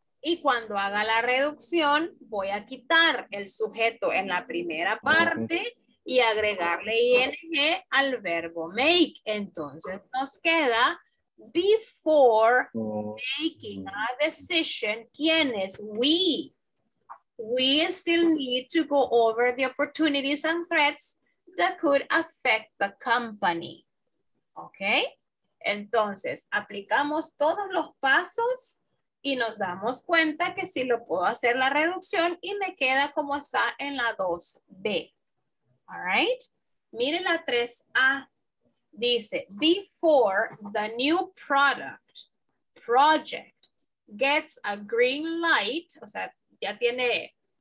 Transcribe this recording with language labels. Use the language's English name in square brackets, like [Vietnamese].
[Spanish] Y cuando haga la reducción, voy a quitar el sujeto en la primera parte y agregarle ING al verbo make. Entonces nos queda [English] before making a decision, [Spanish] ¿quién es? [English] We. We still need to go over the opportunities and threats that could affect the company. Okay? [Spanish] Entonces, aplicamos todos los pasos y nos damos cuenta que sí lo puedo hacer la reducción y me queda como está en la 2B. [English] All right? [Spanish] Mire la 3A. Dice, [English] before the new product, project, gets a green light, [Spanish] o sea, ya tiene...